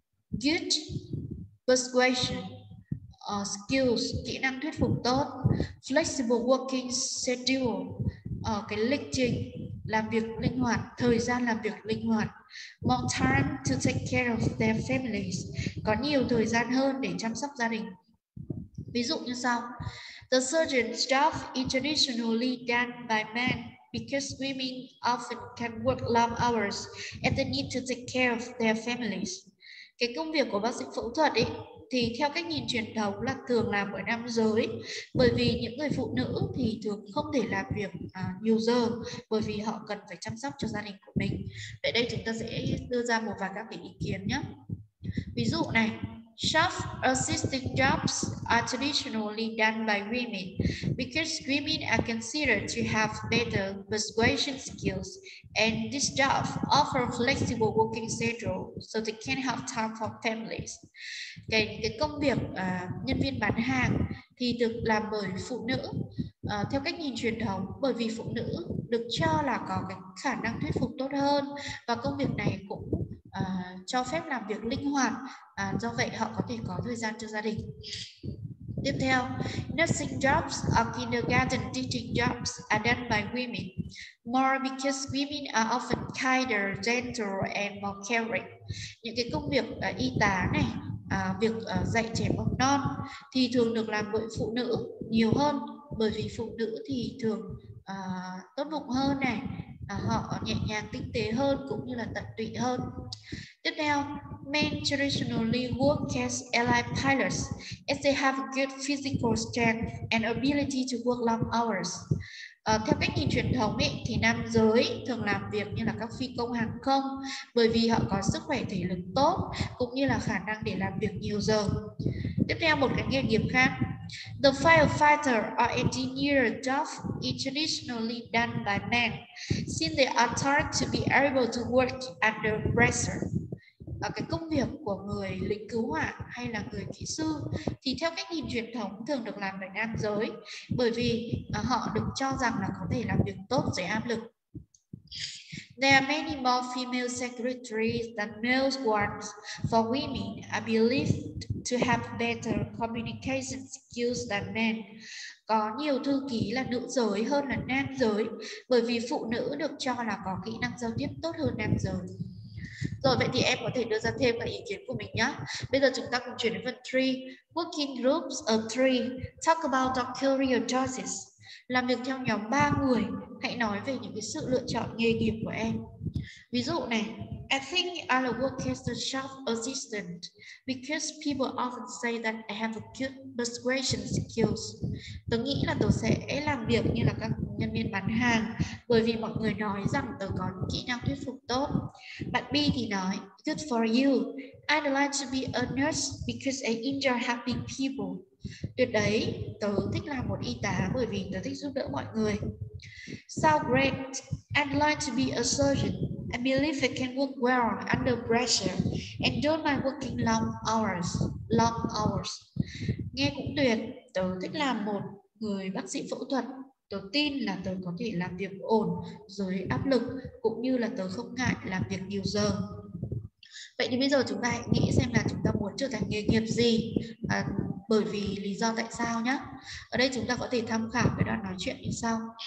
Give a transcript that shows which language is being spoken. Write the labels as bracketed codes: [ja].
[en] Good persuasion skills, [vi] kỹ năng thuyết phục tốt. [en] Flexible working schedule, [vi] cái lịch trình làm việc linh hoạt, thời gian làm việc linh hoạt. [en] More time to take care of their families, [vi] có nhiều thời gian hơn để chăm sóc gia đình. Ví dụ như sau: [en] The surgeon's job is traditionally done by men because women often can work long hours and they need to take care of their families. [vi] Cái công việc của bác sĩ phẫu thuật ấy thì theo cách nhìn truyền thống là thường làm bởi nam giới, bởi vì những người phụ nữ thì thường không thể làm việc nhiều giờ bởi vì họ cần phải chăm sóc cho gia đình của mình. Vậy đây chúng ta sẽ đưa ra một vài các cái ý kiến nhé. Ví dụ này, [en] chef assisting jobs are traditionally done by women because women are considered to have better persuasion skills and this job offer flexible working schedule so they can have time for families. [vi] Cái công việc nhân viên bán hàng thì được làm bởi phụ nữ theo cách nhìn truyền thống, bởi vì phụ nữ được cho là có cái khả năng thuyết phục tốt hơn và công việc này cũng cho phép làm việc linh hoạt, do vậy họ có thể có thời gian cho gia đình. Tiếp theo, [en] nursing jobs or kindergarten teaching jobs are done by women more because women are often kinder, gentle and more caring. [vi] Những cái công việc y tá này, việc dạy trẻ mầm non thì thường được làm bởi phụ nữ nhiều hơn bởi vì phụ nữ thì thường tốt bụng hơn này, họ nhẹ nhàng tinh tế hơn cũng như là tận tụy hơn. Tiếp theo, [en] men traditionally work as airline pilots as they have good physical strength and ability to work long hours. [vi] Theo cách nhìn truyền thống ấy, thì nam giới thường làm việc như là các phi công hàng không bởi vì họ có sức khỏe thể lực tốt cũng như là khả năng để làm việc nhiều giờ. Tiếp theo, một cái nghề nghiệp khác. [en] The firefighter or engineer job is traditionally done by men since they are taught to be able to work under pressure. [vi] Cái công việc của người lính cứu hỏa hay là người kỹ sư thì theo cách nhìn truyền thống thường được làm bởi nam giới bởi vì họ được cho rằng là có thể làm việc tốt dưới áp lực. [en] There are many more female secretaries than male ones. For women, I believe to have better communication skills than men. [vi] Có nhiều thư ký là nữ giới hơn là nam giới bởi vì phụ nữ được cho là có kỹ năng giao tiếp tốt hơn nam giới. Rồi, vậy thì em có thể đưa ra thêm các ý kiến của mình nhé. Bây giờ chúng ta cùng chuyển đến phần 3. [en] Working groups of 3. Talk about your career choices. [vi] Làm việc theo nhóm 3 người, hãy nói về những cái sự lựa chọn nghề nghiệp của em. Ví dụ này, [en] I think I'll work as a shop assistant because people often say that I have a good persuasion skills. [vi] Tớ nghĩ là tớ sẽ làm việc như là các nhân viên bán hàng bởi vì mọi người nói rằng tớ có kỹ năng thuyết phục tốt. Bạn B thì nói, [en] good for you. I'd like to be a nurse because I enjoy helping people. [vi] Tuyệt đấy, tớ thích làm một y tá bởi vì tớ thích giúp đỡ mọi người. [en] Sounds great. I'd like to be a surgeon. I believe I can work well under pressure and don't mind working long hours. [vi] Nghe cũng tuyệt. Tớ thích làm một người bác sĩ phẫu thuật. Tớ tin là tớ có thể làm việc ổn dưới áp lực cũng như là tớ không ngại làm việc nhiều giờ. Vậy thì bây giờ chúng ta hãy nghĩ xem là chúng ta muốn trở thành nghề nghiệp gì. Bởi vì lý do tại sao nhá. Ở đây chúng ta có thể tham khảo cái đoạn nói chuyện như sau.